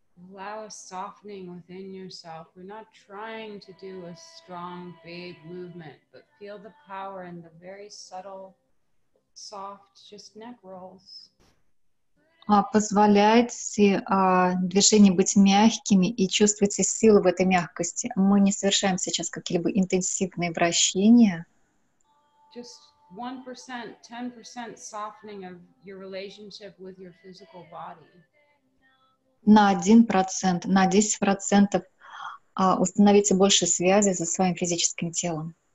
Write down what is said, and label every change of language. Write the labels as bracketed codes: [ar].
[en] Allow a softening within yourself. We're not trying to do a strong, big movement, but feel the power in the very subtle, soft, just neck rolls. [ru] Позволяйте движения быть мягкими и чувствуйте силу в этой мягкости. Мы не совершаем сейчас какие-либо интенсивные вращения. [en] Just 1%, 10% softening of your relationship with your physical body. [ru] На 1%, на 10% установите больше связи со своим физическим телом.